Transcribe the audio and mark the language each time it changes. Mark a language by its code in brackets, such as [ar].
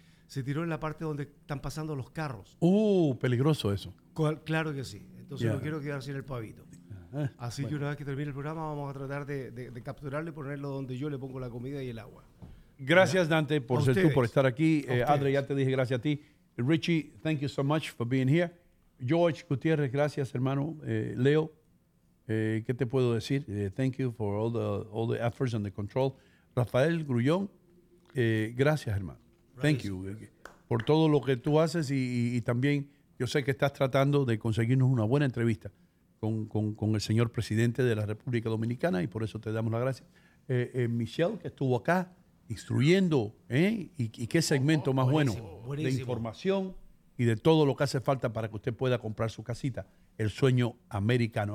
[es] Se tiró en la parte donde están pasando los carros. Peligroso eso. Claro que sí. Entonces no quiero quedar sin el pavito. Así bueno. Que una vez que termine el programa vamos a tratar de capturarlo y ponerlo donde yo le pongo la comida y el agua. Gracias, Dante, por ser tú, por estar aquí. Andre, ya te dije gracias a ti. [en] Richie, thank you so much for being here. George Gutiérrez, [es] gracias, hermano. [en] Leo, [es] ¿qué te puedo decir? [en] Thank you for all the efforts and the control. [es] Rafael Grullón, gracias, hermano. [en] Thank you [es] por todo lo que tú haces y también yo sé que estás tratando de conseguirnos una buena entrevista con el señor presidente de la República Dominicana y por eso te damos las gracias. Michelle, que estuvo acá instruyendo, y qué segmento más bueno de información y de todo lo que hace falta para que usted pueda comprar su casita, el sueño americano.